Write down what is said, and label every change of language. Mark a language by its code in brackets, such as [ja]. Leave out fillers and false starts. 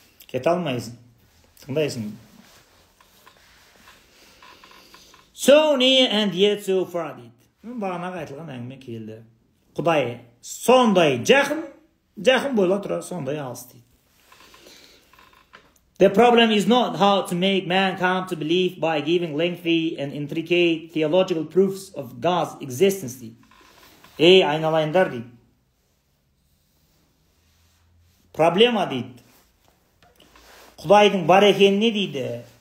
[kk] Кете алмайсың. Тыңдайсың. [en] So near and yet so far [kk] дейді. Бағанаға айтылған әңгіме келді. Құдай сондай жақын, жақын бойла тұра, сондай алыс дейді. [en] The problem is not how to make man come to believe by giving lengthy and intricate theological proofs of God's existence. [kk] Ey айналайындар дейді. Проблема дейді. Құдайдың бар екеніне дейді.